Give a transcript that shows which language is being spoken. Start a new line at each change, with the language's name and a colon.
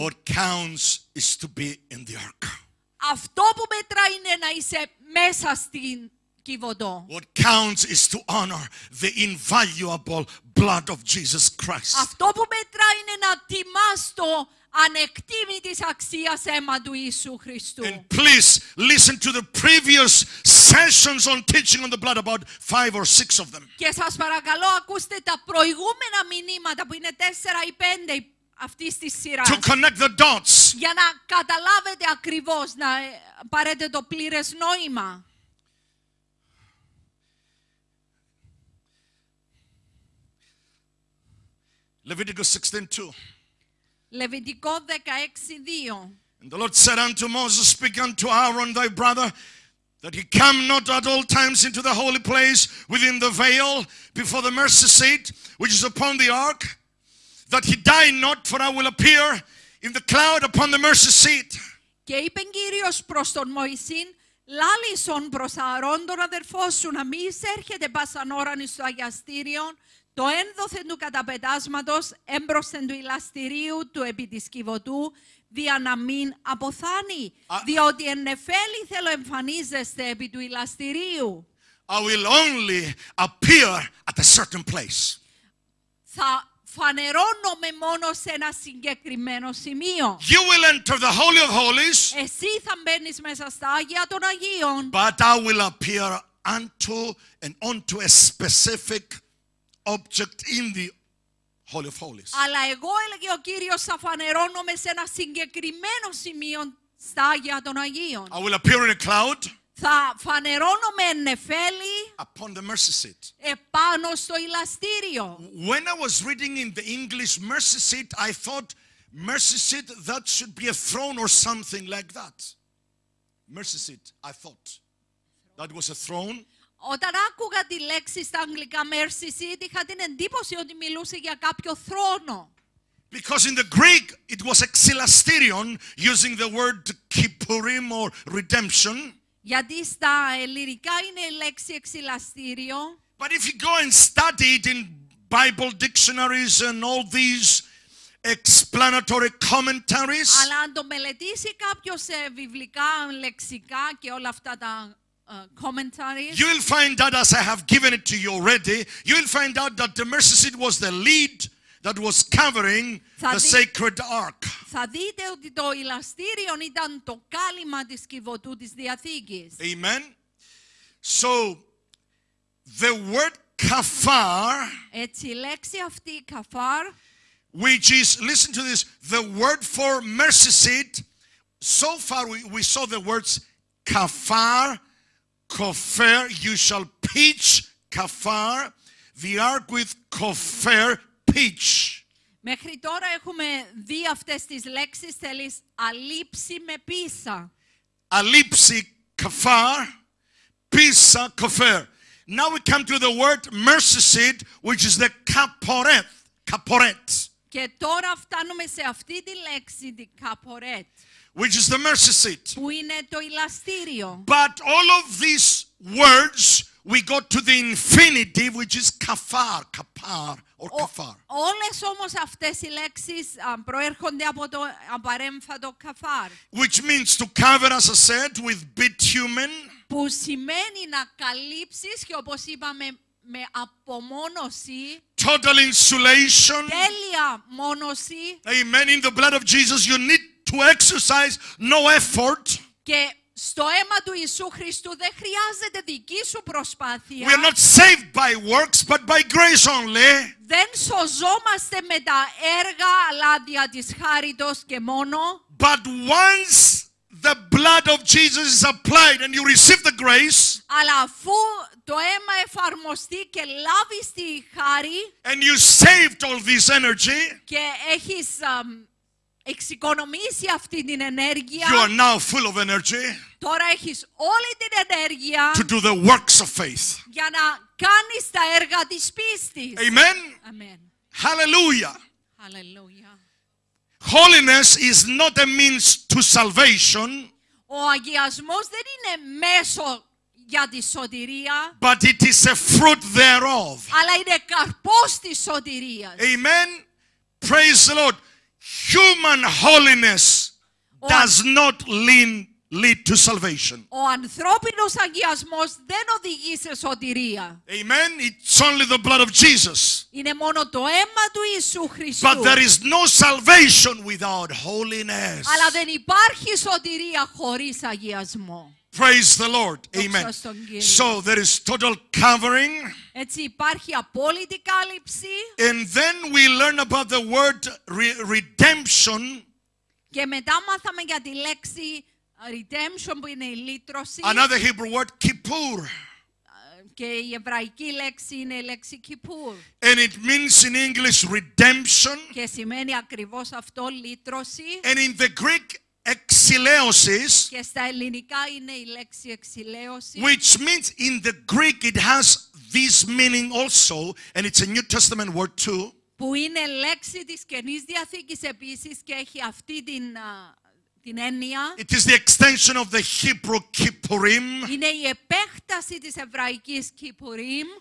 English: What counts is to be in the ark.
Greek: Αυτό που μετρά είναι να είσαι μέσα στην κυβωτό.
English: What counts is to honor the invaluable blood of Jesus Christ.
Greek: Αυτό που μετρά είναι να τιμάς το ανεκτήμητης αξίας αίμα του Ιησού Χριστού.
English: And please listen to the previous sessions on teaching on the blood, about 5 or 6 of them.
Greek: Και σας παρακαλώ ακούστε τα προηγούμενα μηνύματα που είναι 4 ή 5 αυτής της σειράς.
English: To connect the dots.
Greek: Για να καταλάβετε ακριβώς, να πάρετε το πλήρες νόημα.
English: Leviticus 16:2.
Greek: Λεβιτικό 16:2.
English: And the Lord said unto Moses, Speak unto Aaron thy brother, that he come not at all times into the holy place within the veil before the mercy seat, which is upon the ark, that he die not, for I will appear in the cloud upon the mercy seat.
Greek: Και είπε Κύριος προς τον Μωυσήν, λάλησον προς Αρών τον αδερφό σου, να μη εισέρχεται πάσαν ώραν εις το αγιαστήριον, το ένδοθεν του καταπετάσματος έμπροσθεν του ηλαστηρίου του επί της κυβωτού, δια να μην αποθάνει, διότι εν νεφέλη θέλω εμφανίζεστε επί του ηλαστηρίου.
English: I will only appear at a certain place.
Greek: Θα φανερώνομαι μόνο σε ένα συγκεκριμένο σημείο.
English: You will enter the Holy of Holies.
Greek: Εσύ θα μπαίνεις μέσα στα Άγια των Αγίων.
English: But I will appear unto and onto a specific object in the Holy of Holies.
Greek: Αλλά εγώ, έλεγε ο Κύριος, θα φανερώνομαι σε ένα συγκεκριμένο σημείο στα Άγια των Αγίων.
English: I will appear in a cloud.
Greek: Θα φανερώνομαι εν νεφέλη.
English: Upon the mercy seat.
Greek: Επάνω στο ηλαστήριο.
English: When I was reading in the English mercy seat, I thought mercy seat, that should be a throne or something like that. Mercy seat, I thought. That was a throne.
Greek: Όταν άκουγα τη λέξη στα αγγλικά mercy seat, είχα την εντύπωση ότι μιλούσε για κάποιο θρόνο.
English: Because in the Greek it was exilasterion, using the word kippurim or redemption.
Greek: Γιατί στα ελληνικά είναι η λέξη εξυλαστήριο.
English: But if you go and study it in Bible dictionaries and all these explanatory commentaries.
Greek: Αλλά αν το μελετήσει κάποιος σε βιβλικά, λεξικά και όλα αυτά τα commentaries.
English: You will find out, as I have given it to you already, you will find out that the mercy seat was the lead, that was covering the sacred ark.
Greek: Θα δείτε ότι το ηλαστήριον ήταν το κάλυμα της κυβωτού της Διαθήκης.
English: Amen. So the word kafar,
Greek: έτσι η λέξη αυτή kafar,
English: which is, listen to this, the word for mercy seat. So far we saw the words kafar, kofer, you shall pitch kafar, the ark with kofer, pitch.
Greek: Μέχρι τώρα έχουμε δει αυτές τις λέξεις, θέλεις αλείψη με πίσα. Αλείψη, καφάρ, πίσα, καφέρ.
English: Now we come to the word mercy seat, which is the καπορέτ, καπορέτ.
Greek: Και τώρα φτάνουμε σε αυτή τη λέξη, την καπορέτ.
English: Which is the mercy seat.
Greek: Που είναι το ηλαστήριο.
English: But all of these words, we go to the infinitive, which is καφάρ, καπάρ.
Greek: Όλες όμως αυτές οι λέξεις προέρχονται από το απαρέμφατο καφάρ.
English: Which means to cover, as I said, with bitumen.
Greek: Που σημαίνει να καλύψεις και όπως είπαμε με απομόνωση.
English: Total insulation.
Greek: Τέλεια μόνωση.
English: Amen. In the blood of Jesus, you need to exercise no effort.
Greek: Και στο αίμα του Ιησού Χριστού δεν χρειάζεται δική σου προσπάθεια.
English: We are not saved by works, but by grace only.
Greek: Δεν σωζόμαστε με τα έργα, αλλά δια της χάριτος και μόνο.
English: But once the blood of Jesus is applied and you receive the grace,
Greek: αλλά αφού το αίμα εφαρμοστεί και λάβεις τη χάρη,
English: and you saved all this energy,
Greek: και έχεις εξοικονομήσει αυτή την ενέργεια.
English: You are now full of energy.
Greek: Τώρα έχεις όλη την ενέργεια.
English: To do the works of faith.
Greek: Για να κάνεις τα έργα της πίστης.
English: Amen. Amen. Hallelujah. Hallelujah. Holiness is not a means to salvation.
Greek: Ο αγιασμός δεν είναι μέσο για τη σωτηρία.
English: But it is a fruit thereof.
Greek: Αλλά είναι καρπός της σωτηρίας.
English: Amen. Praise the Lord. Human holiness does not lead to salvation.
Greek: Ο ανθρώπινος αγιασμός δεν οδηγεί σε σωτηρία.
English: Amen. It's only the blood of Jesus.
Greek: Είναι μόνο το αίμα του Ιησού Χριστού.
English: But there is no salvation without holiness.
Greek: Αλλά δεν υπάρχει σωτηρία χωρίς αγιασμό.
English: Praise the Lord. Amen. So there is total covering.
Greek: Έτσι υπάρχει απόλυτη κάλυψη.
English: And then we learn about the word redemption.
Greek: Και μετά μάθαμε για τη λέξη redemption που είναι η λύτρωση.
English: Another Hebrew word, kippur.
Greek: Και η εβραϊκή λέξη είναι η λέξη kippur.
English: And it means in English redemption.
Greek: Και σημαίνει ακριβώς αυτό, λύτρωση.
English: And in the Greek, exileosis,
Greek: και στα ελληνικά είναι η λέξη εξηλαίωση,
English: which means in the Greek it has this meaning also, and it's a New Testament word too,
Greek: που είναι λέξη της Καινής Διαθήκης επίσης και έχει αυτή την την έννοια.
English: It is the extension of the Hebrew Kippurim.
Greek: Είναι η επέκταση της εβραϊκής Kippurim.